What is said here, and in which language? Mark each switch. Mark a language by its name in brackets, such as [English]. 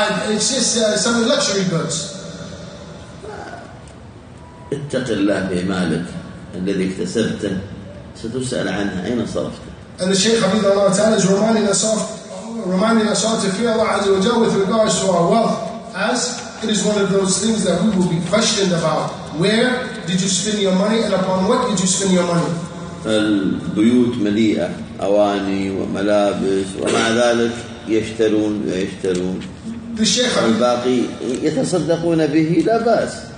[English] It's just some luxury goods. [Arabic] اتق الله بمالك الذي اكتسبته ستسأل عنها أين صرفته. [English] And the Sheikh Hafidah Allah Ta'ala is reminding us all to fear Allah Azza wa Jalla with regards to our wealth, as it is one of those things that we will be questioned about. Where did you spend your money and upon what did you spend your money? [Arabic] البيوت مليئة أواني وملابس ومع ذلك يشترون. [English] The Sheikh [Arabic] الباقي يتصدقون به لا بأس.